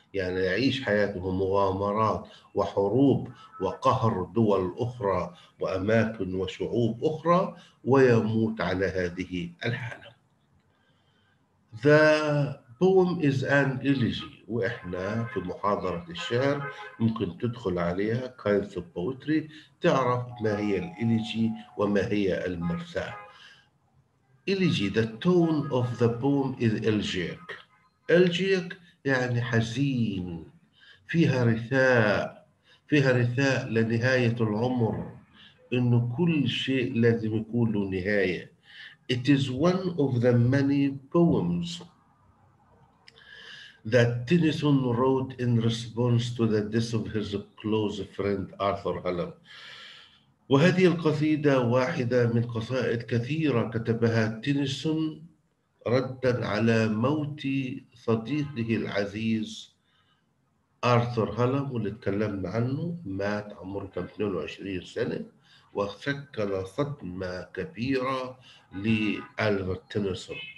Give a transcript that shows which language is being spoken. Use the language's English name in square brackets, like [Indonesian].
[Arabic] يعني يعيش حياته مغامرات وحروب وقهر دول أخرى وأماكن وشعوب أخرى, ويموت على هذه الحالة. [English] The poem is an elegy. [Arabic] وإحنا في محاضرة الشعر ممكن تدخل عليها [English] kinds of poetry, [Arabic] تعرف ما هي الإليجي وما هي المرثاة. [English] Elegy, the tone of the poem is elegiac. [Arabic] Elegiac يعني حزين, فيها رثاء لنهاية العمر, إنه كل شيء لازم يكون له نهاية. [English] It is one of the many poems that Tennyson wrote in response to the death of his close friend Arthur Hallam. [Arabic] وهذه القصيدة واحدة من قصائد كثيرة كتبها تينيسون ردا على موت صديقه العزيز آرثر هالام, واللي تكلمنا عنه مات عمره 22 سنة, وشكل صدمة كبيرة لألفرد تينيسون.